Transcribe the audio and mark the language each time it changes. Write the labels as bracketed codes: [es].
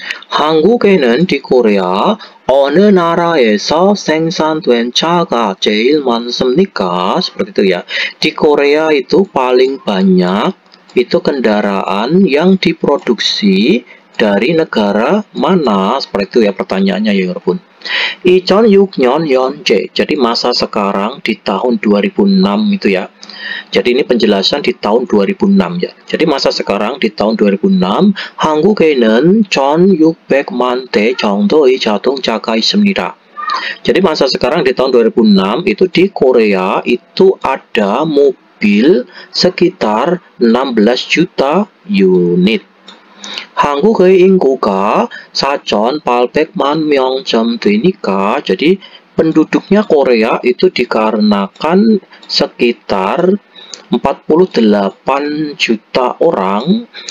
[ko] Hangguk에는 [id] di Korea [ko] 어느 나라에서 생산된 차가 제일 많습니까? [id] Seperti itu ya. Di Korea itu paling banyak itu kendaraan yang diproduksi dari negara mana? Seperti itu ya pertanyaannya, ya Yorobun. [ko] 2006년 현재, [id] jadi masa sekarang di tahun 2006 itu ya. Jadi ini penjelasan di tahun 2006 ya. Jadi masa sekarang di tahun 2006, [ko] 한국에는 1600만 대 정도의 자동차가 있습니다. [id] Jadi masa sekarang di tahun 2006 itu di Korea itu ada mobil sekitar 16 juta unit. [ko] 한국의 인구가 4800만 명 정도니까, [id] jadi penduduknya Korea itu dikarenakan sekitar 48 juta orang.